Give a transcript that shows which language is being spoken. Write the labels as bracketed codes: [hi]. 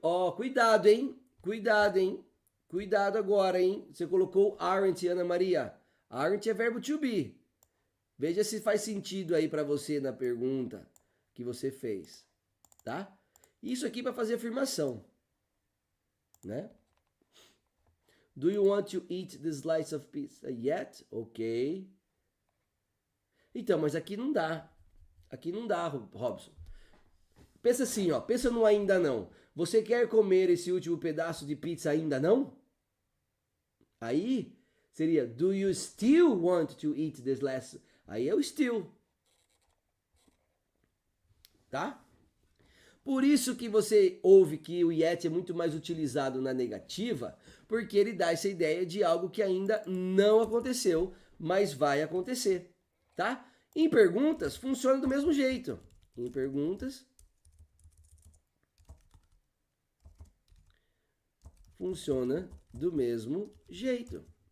[pt] Oh, cuidado, hein? Cuidado, hein? Cuidado agora, hein? Você colocou aren't, Ana Maria. Aren't é verbo to be. Veja se faz sentido aí para você na pergunta que você fez, tá? Isso aqui para fazer afirmação, né? [en] Do you want to eat the slice of pizza yet? [pt] Ok. Então, mas aqui não dá. Aqui não dá, Robson. Pensa assim, ó. Pensa no ainda não. Você quer comer esse último pedaço de pizza ainda não? Aí seria [en] Do you still want to eat this last? [pt] Aí é o still. Tá? Por isso que você ouve que o yet é muito mais utilizado na negativa, porque ele dá essa ideia de algo que ainda não aconteceu, mas vai acontecer. Tá? Em perguntas, funciona do mesmo jeito. Em perguntas, funciona do mesmo jeito.